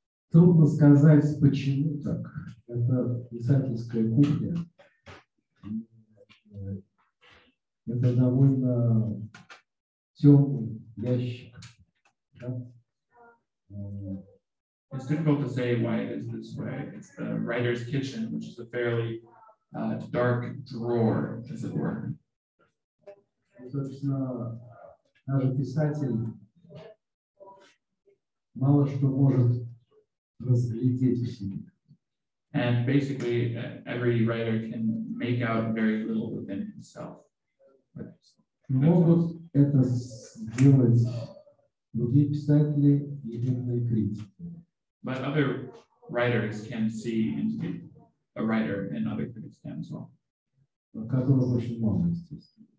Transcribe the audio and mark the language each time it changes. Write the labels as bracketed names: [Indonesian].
[Russian] Трудно сказать, почему так. Это писательская кухня. Это довольно темный ящик. Да? [English] It's difficult to say why it is this way. It's the writer's kitchen, which is a fairly dark drawer, as it were. [Russian] Собственно, даже писатель мало что может разглядеть в себе. [English] And basically, every writer can make out very little within himself. [Russian] Могут это сделать другие писатели и именно критики. [English] But other writers can see into a writer and other critics can as well. [Russian] Которых очень мало, естественно.